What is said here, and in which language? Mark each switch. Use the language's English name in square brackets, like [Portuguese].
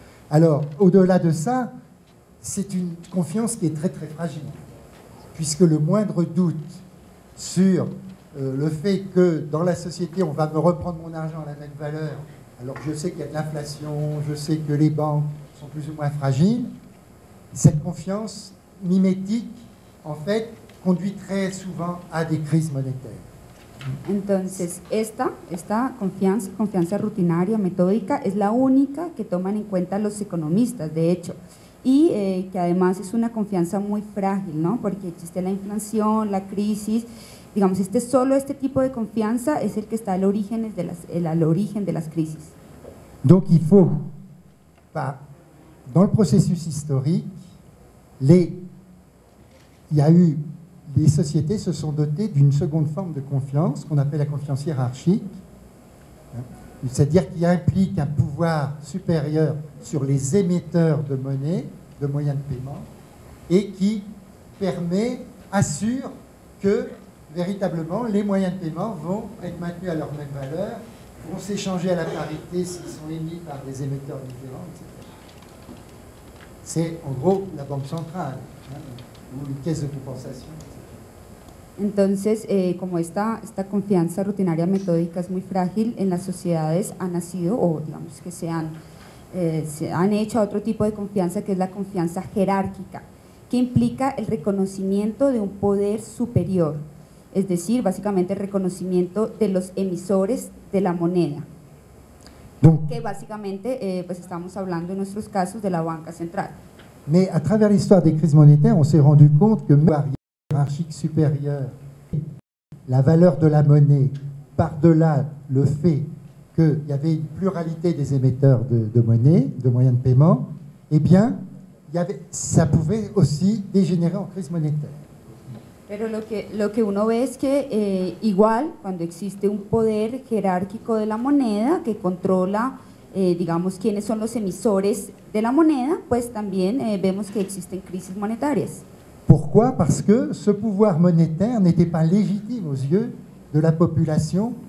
[French] Alors, au-delà de ça, c'est une confiance qui est très très fragile, puisque le moindre doute sur le fait que dans la société on va me reprendre mon argent à la même valeur, alors je sais qu'il y a de l'inflation, je sais que les banques sont plus ou moins fragiles, cette confiance mimétique en fait conduit très souvent à des crises monétaires. [Spanish] Entonces, esta confianza rutinaria, metódica, es la única que toman en cuenta los economistas, de hecho. Y que además es una confianza muy frágil, ¿no? Porque existe la inflación, la crisis. Digamos, solo este tipo de confianza es el que está al origen de las crisis. [French] Donc il faut, dans le processus historique, les sociétés se sont dotées d'une seconde forme de confiance, qu'on appelle la confiance hiérarchique, hein, c'est-à-dire qui implique un pouvoir supérieur sur les émetteurs de monnaie, de moyens de paiement, et qui assure que véritablement les moyens de paiement vont être maintenus à leur même valeur, vont s'échanger à la parité s'ils sont émis par des émetteurs différents, etc. C'est en gros la banque centrale, hein, ou une caisse de compensation, etc. [Spanish] Entonces, como esta confianza rutinaria metódica es muy frágil, en las sociedades ha nacido, o digamos que se han hecho otro tipo de confianza, que es la confianza jerárquica, que implica el reconocimiento de un poder superior, es decir, básicamente el reconocimiento de los emisores de la moneda, que básicamente pues estamos hablando en nuestros casos de la banca central. [French] Mais à travers l'histoire des crises monétaires, on s'est rendu compte que la hiérarchie supérieure, la valeur de la monnaie, par-delà le fait qu'il y avait une pluralité des émetteurs de monnaie, de moyens de paiement, eh bien, ça pouvait aussi dégénérer en crise monétaire. [Spanish] Pero lo que uno ve es que igual cuando existe un poder jerárquico de la moneda que controla, digamos, quiénes son los emisores de la moneda, pues también vemos que existen crisis monetarias. [French] Pourquoi? Parce que ce pouvoir monétaire n'était pas légitime aux yeux de la population